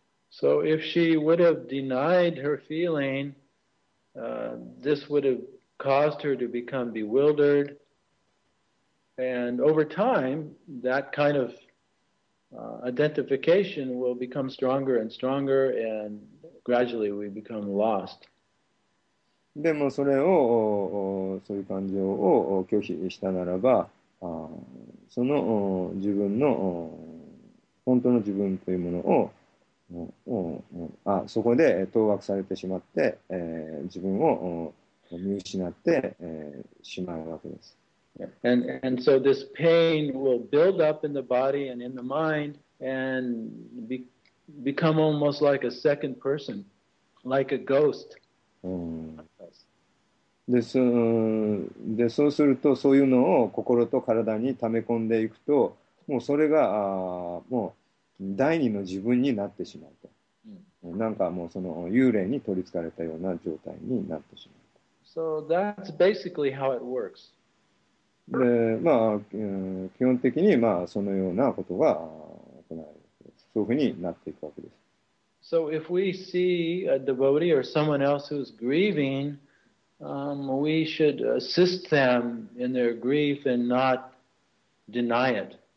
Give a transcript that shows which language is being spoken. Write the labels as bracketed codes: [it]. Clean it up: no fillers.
[en] So if she would have denied her feeling, this would have caused her to become bewildered. And over time, that kind of identification will become stronger and stronger, and gradually we become lost. [ja] でもそれを、そういう感情を拒否したならば、その自分の本当の自分というものを、そこで当惑されてしまって、自分を見失って、しまうわけです。 [en] And so this pain will build up in the body and in the mind and become almost like a second person, like a ghost. [ja] で、そうすると、そういうのを心と体に溜め込んでいくと、もうそれが、もう第二の自分になってしまうと。なんかもうその幽霊に取り憑かれたような状態になってしまうと。 [en] So that's basically how it works. [ja] でまあ、基本的に、まあ、そのようなことが行われるです。そういうふうになっていくわけです。 [en] So if we see a devotee or someone else who's grieving, we should assist them in their grief and not deny it.、